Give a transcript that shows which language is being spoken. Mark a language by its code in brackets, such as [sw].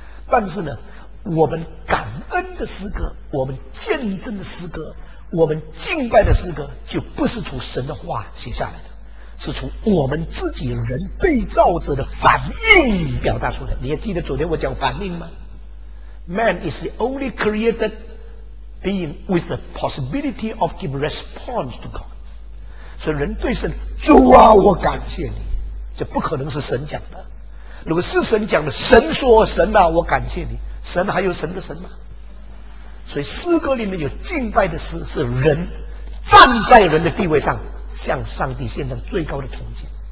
[zh] 但是呢，我们感恩的诗歌，我们见证的诗歌，我们敬拜的诗歌，就不是从神的话写下来的，是从我们自己人被造者的反应表达出来的。你还记得昨天我讲反应吗？ [en] Man is the only created being with the possibility of give response to God。 [zh] 所以人对神，主啊我感谢你，这不可能是神讲的。如果是神讲的，神说，神啊我感谢你，神还有神的神吗？所以诗歌里面有敬拜的诗，是人站在人的地位上向上帝献上最高的崇敬。